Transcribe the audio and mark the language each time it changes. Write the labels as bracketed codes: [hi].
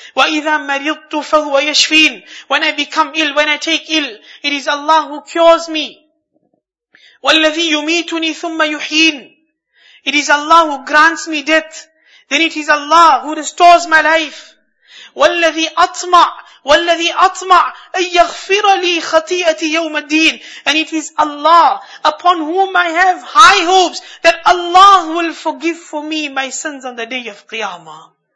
[ar] وَإِذَا مَرِضْتُ فَهُوَ يَشْفِينَ. [en] When I become ill, when I take ill, it is Allah who cures me. [ar] وَالَّذِي يُمِيتُنِي ثُمَّ يُحْيِينَ. [en] It is Allah who grants me death. Then it is Allah who restores my life. [ar] وَالَّذِي أَطْمَعُ. والذي أطمع أن يغفر لي خطيئتي يوم الدين. [en] And it is Allah upon whom I have high hopes that Allah will forgive for me my sins on the day of Qiyamah.